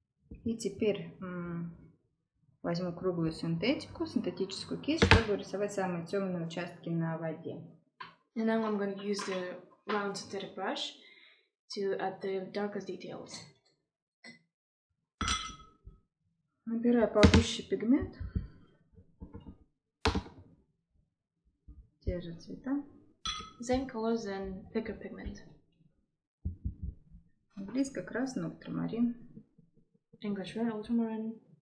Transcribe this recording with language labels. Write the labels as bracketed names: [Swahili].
[Russian] И теперь возьму круглую синтетику, синтетическую кисть, чтобы рисовать самые темные участки на воде. [English] And now I'm going to use the round synthetic brush to add the darkest details. [Russian] Набираю погуще пигмент. Те же цвета. [English] Same colors and thicker pigment. [Russian] Близко красный ультрамарин. [English] English red, ultramarine.